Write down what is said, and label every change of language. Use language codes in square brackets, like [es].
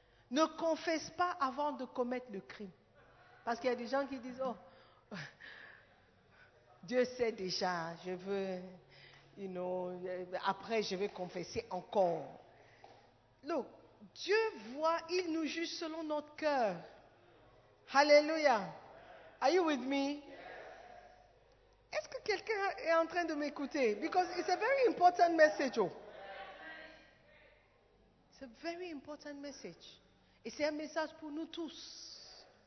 [fr] Ne confesse pas avant de commettre le crime. Parce qu'il y a des gens qui disent, oh, Dieu sait déjà, je veux, you know, après je vais confesser encore. Donc, Dieu voit, il nous juge selon notre cœur. Hallelujah. [en] Are you with me? [fr] Est-ce que quelqu'un est en train de m'écouter? [en] Because it's a very important message. Oh. It's a very important message. [fr] Et c'est un message pour nous tous.